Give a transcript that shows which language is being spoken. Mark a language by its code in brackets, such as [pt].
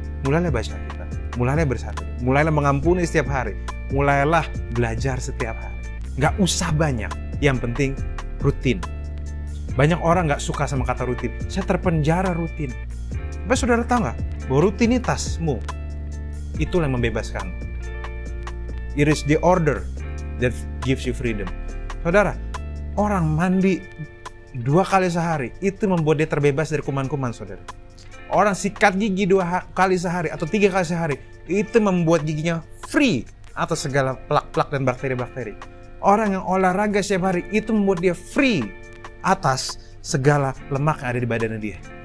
[id] Mulailah baca Alkitab, mulailah bersatu, mulailah mengampuni setiap hari, mulailah belajar setiap hari. Gak usah banyak, yang penting rutin. Banyak orang gak suka sama kata rutin, saya terpenjara rutin. Tapi saudara tahu gak, bahwa rutinitasmu itulah yang membebaskan. [en] It is the order that gives you freedom. [id] Saudara, orang mandi 2 kali sehari, itu membuat dia terbebas dari kuman-kuman, saudara. Orang sikat gigi 2 kali sehari atau 3 kali sehari, itu membuat giginya free atau segala plak-plak dan bakteri-bakteri. Orang yang olahraga setiap hari, itu membuat dia free atas segala lemak yang ada di badannya dia.